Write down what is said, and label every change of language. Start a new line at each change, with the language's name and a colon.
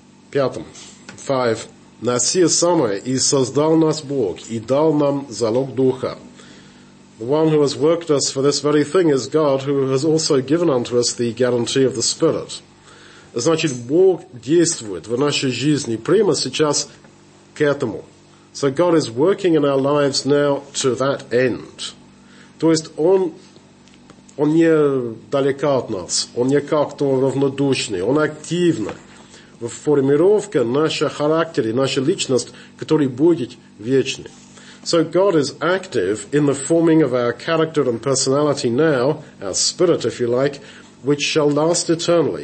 Russian: Пятом.
English: Five.
Russian: На сие самое и создал нас Бог, и дал нам залог духа.
English: The one who has worked us for this very thing is God, who has also given unto us the guarantee of the Spirit.
Russian: Значит, Бог действует в нашей жизни прямо сейчас к этому.
English: So God is working in our lives now to that end.
Russian: То есть он не далека от нас, он не как-то равнодушный, он активный в формировке нашего характера, нашей личности, который будет вечный.
English: So God is active in the forming of our character and personality now, our spirit, if you like, which shall last eternally.